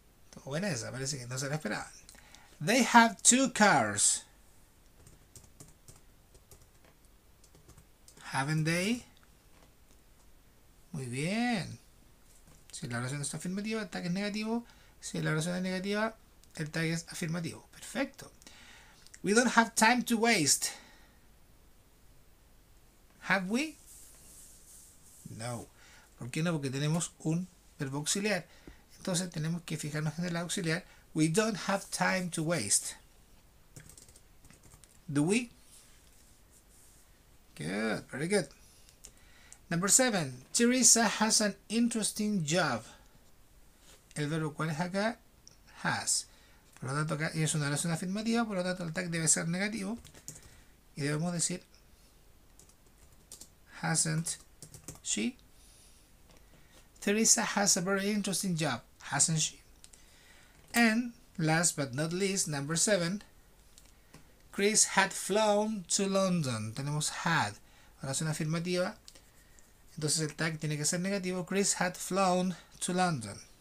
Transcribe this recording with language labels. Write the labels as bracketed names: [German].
[Spanish] Estuvo buena esa, parece que no se la esperaba. [English] They have two cars. Haven't they? [Spanish] Muy bien. Si la oración está afirmativa, el tag es negativo. Si la oración es negativa, el tag es afirmativo. Perfecto. [English] We don't have time to waste. Have we? No. [Spanish] ¿Por qué no? Porque tenemos un verbo auxiliar. Entonces tenemos que fijarnos en el auxiliar. [English] We don't have time to waste. Do we? Good, very good. Number 7. Teresa has an interesting job. [Spanish] El verbo cuál es acá? Has. Por lo tanto, acá es una oración afirmativa, por lo tanto, el tag debe ser negativo. Y debemos decir: [English] Hasn't she? Teresa has a very interesting job, hasn't she? And last but not least, number 7. Chris had flown to London. [Spanish] Tenemos had, oración afirmativa. Entonces el tag tiene que ser negativo. [English] Chris had flown to London.